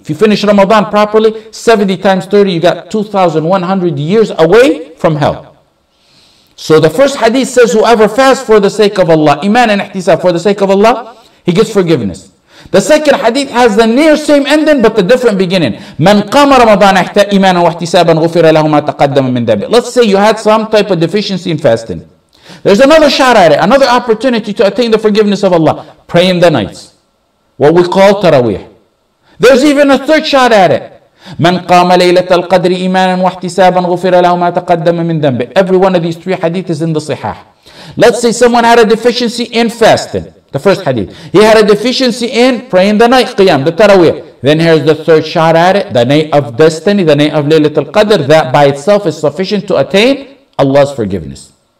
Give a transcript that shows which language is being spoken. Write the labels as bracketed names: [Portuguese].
[English] If you finish Ramadan properly, 70 times 30, you got 2,100 years away from hell. So the first hadith says, whoever fasts for the sake of Allah, iman and ihtisab, for the sake of Allah, he gets forgiveness. The second hadith has the near same ending, but the different beginning. [Arabic] من قام رمضان إيمانا واحتسابا غفر له ما تقدم من ذنبه. [English] Let's say you had some type of deficiency in fasting. There's another shot at it, another opportunity to attain the forgiveness of Allah. Pray in the nights. What we call tarawih. There's even a third shot at it. [Arabic] من قام ليلة القدر إيمانا واحتسابا غفر له ما تقدم من ذنبه. [English] Every one of these three hadith is in the sahih. Let's say someone had a deficiency in fasting. The first hadith. He had a deficiency in praying the night, qiyam, the tarawih. Then here's the third shot at it. The night of destiny, the night of Laylat al-Qadr. That by itself is sufficient to attain Allah's forgiveness.